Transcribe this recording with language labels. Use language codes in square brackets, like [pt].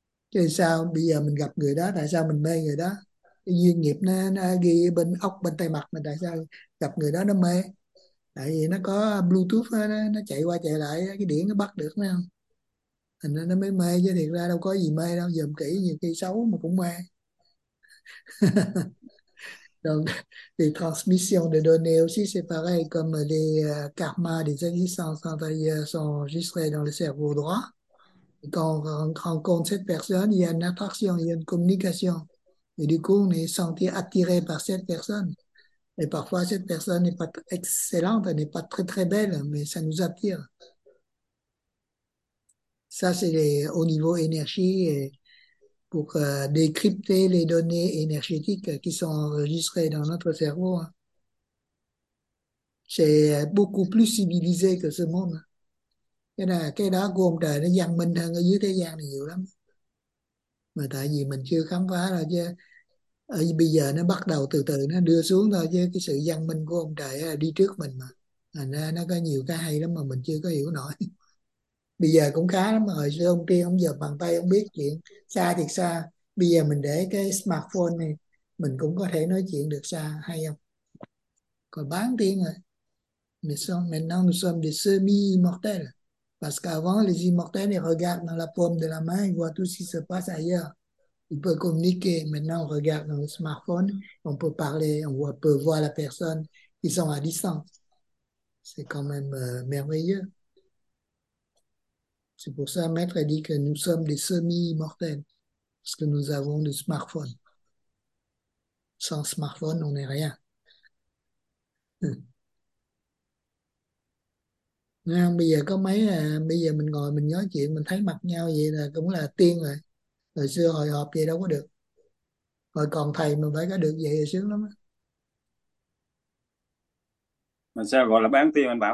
[vi] Chứ sao bây giờ mình gặp người đó, tại sao mình mê người đó, cái duyên nghiệp nó ghi bên ốc bên tai mặt mình, tại sao gặp người đó nó mê, tại vì nó có bluetooth nó chạy qua chạy lại cái điển nó bắt được phải không, thành ra nó mới mê. Chứ thiệt ra đâu có gì mê đâu, dòm kỹ nhiều khi xấu mà cũng mê. [fr] Rồi transmission de données aussi c'est pareil comme les karma des existences antérieures sont enregistrés dans le cerveau droit. Quand cette personne, il y a une attraction, il y a une communication. Et du coup, on est senti attiré par cette personne. Et parfois, cette personne n'est pas excellente, elle n'est pas très très belle, mais ça nous attire. Ça, c'est au niveau énergie et pour décrypter les données énergétiques qui sont enregistrées dans notre cerveau. C'est beaucoup plus civilisé que ce monde. [vi] Cái đó của ông trời nó văn minh hơn ở dưới thế gian này nhiều lắm. Mà tại vì mình chưa khám phá rồi chứ. Ở bây giờ nó bắt đầu từ từ nó đưa xuống thôi, chứ cái sự văn minh của ông trời đi trước mình mà. Thành ra nó có nhiều cái hay lắm mà mình chưa có hiểu nổi. Bây giờ cũng khá lắm, hồi xưa ông kia ông giờ bàn tay ông biết chuyện xa thiệt xa. Bây giờ mình để cái smartphone này mình cũng có thể nói chuyện được xa, hay không? Còn bán tiếng rồi. [fr] Maintenant nous sommes des semi-immortels. Parce qu'avant, les immortels, ils regardent dans la paume de la main, ils voient tout ce qui se passe ailleurs. Ils peuvent communiquer. Maintenant, on regarde dans le smartphone, on peut parler, on peut voir la personne. Ils sont à distance. C'est quand même merveilleux. C'est pour ça, Maître a dit que nous sommes des semi-immortels, parce que nous avons des smartphones. Sans smartphone, on n'est rien. [vi] Nên bây giờ có mấy à, bây giờ mình ngồi mình nói chuyện mình thấy mặt nhau vậy là cũng là tiên rồi. Hồi xưa hồi họp vậy đâu có được, hồi còn thầy mình phải có được vậy là sướng lắm Mà sao gọi là bán tiên anh bảo